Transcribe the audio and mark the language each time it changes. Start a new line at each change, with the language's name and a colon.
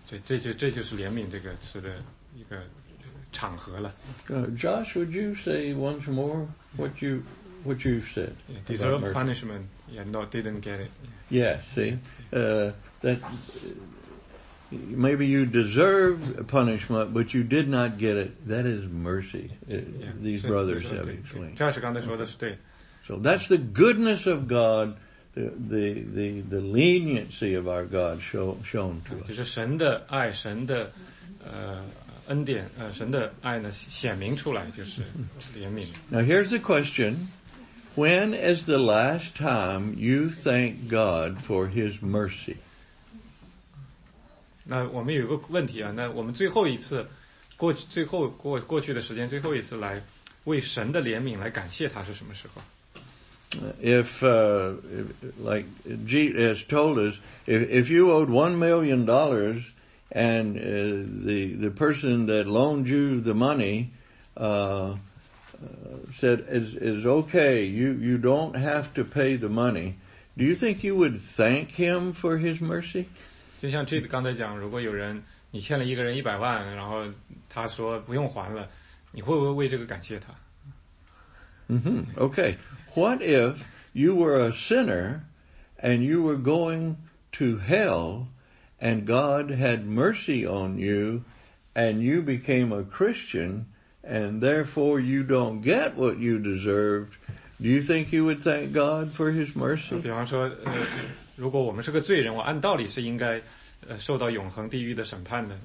Chinese: 这就是怜悯这个词的一个场合了。
English: Josh, would you say once more what you said? Yeah, deserve punishment, yeah, no, didn't get it. Yeah, see, that maybe you deserve punishment, but you did not get it. That is mercy, these brothers have explained.
Chinese: Josh 刚才说的是对。
English: So that's the goodness of God the leniency of our God shown to us.
Chinese: 就是神的爱，神的恩典，神的爱呢显明出来，就是怜悯。
English: Now here's the question: When is the last time you thank God for His mercy?
Chinese: 那我们有个问题啊，那我们最后一次过去，最后过去的时间，最后一次来为神的怜悯来感谢他是什么时候？
English: If like Jesus told us, if you owed $1 million and the person that loaned you the money said is okay, you don't have to pay the money, do you think you would thank him for his mercy?
Chinese: 就像 Jesus 刚才讲，如果有人你欠了一个人100万，然后他说不用还了，你会不会为这个感谢他？
English: Mm-hmm. Okay. What if you were a sinner and you were going to hell and God had mercy on you and you became a Christian and therefore you don't get what you deserved? Do you think you would thank God for His mercy?
Chinese: 比方说，如果我们是个罪人，我按道理是应该受到永恒地狱的审判的。